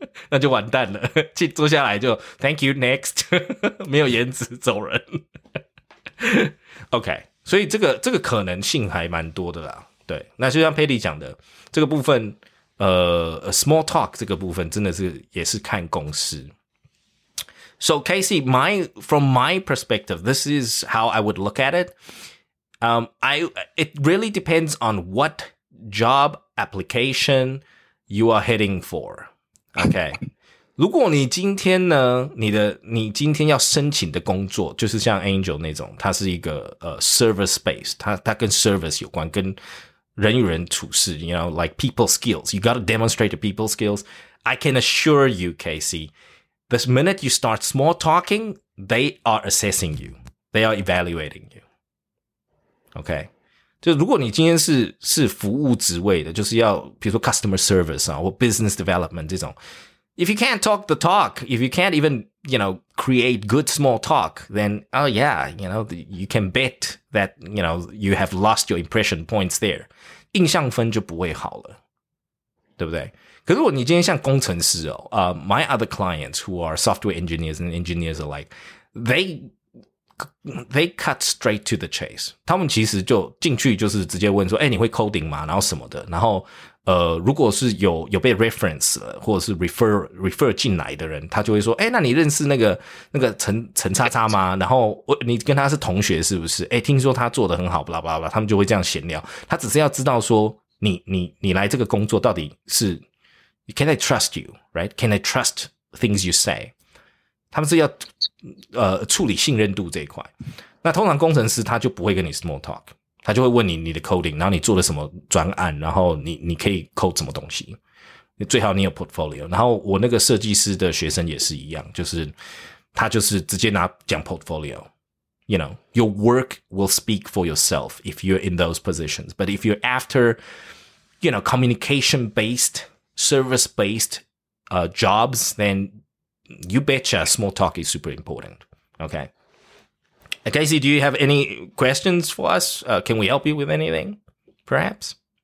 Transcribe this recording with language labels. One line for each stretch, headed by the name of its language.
Chinese: 那就完蛋了，去坐下来就
English: Thank you, next.
Chinese: 没有颜值走人。 OK, 所以这个可能性还蛮多的啦。对，那就像 Patty 讲的这个部分，small talk 这个部分真的是也是看公司。
English: So Casey, from my perspective, this is how I would look at it. It really depends on what job application you are heading for.
Chinese: OK, 如果你今天呢，你今天要申请的工作就是像 Angel 那种，它是一个service space, 它跟 service 有关，跟人与人处事，
English: you know, like people skills,
Chinese: you gotta demonstrate the people skills.
English: I can assure you, Casey, the minute you start small talking, they are assessing you, they are evaluating you. OK.
Chinese: 就如果你今天是服务职位的，就是要比如说
English: customer service 啊，或 business development 这种， if you can't talk the talk, if you can't even you know create good small talk, then oh yeah, you know you can bet that you know you have lost your impression points there,
Chinese: 印象分就不会好了，对不对？可是如果你今天像工程师哦，
English: my other clients who are software engineers and engineers alike, they cut straight to the chase.
Chinese: 他们其实就进去就是直接问说，欸，你会 coding 吗？然后什么的。然后如果是有被 reference 了，或者是 refer 进来的人，他就会说，欸，那你认识那个陈叉叉吗？然后你跟他是同学是不是？欸，听说他做得很好 blah blah blah, 他们就会这样闲聊。他只是要知道说你来这个工作到底是
English: can I trust you, right? Can I trust things you say?
Chinese: 他们是要处理信任度这一块。那通常工程师他就不会跟你 small talk, 他就会问你的 coding, 然后你做了什么专案，然后你可以 code 什么东西，最好你有 portfolio。 然后我那个设计师的学生也是一样，就是他就是直接拿讲 portfolio。
English: You know, your work will speak for yourself if you're in those positions. But if you're after, you know, communication-based, service-based jobs, then you betcha small talk is super important. Okay. Casey, do you have any questions for us? Can we help you with anything, perhaps?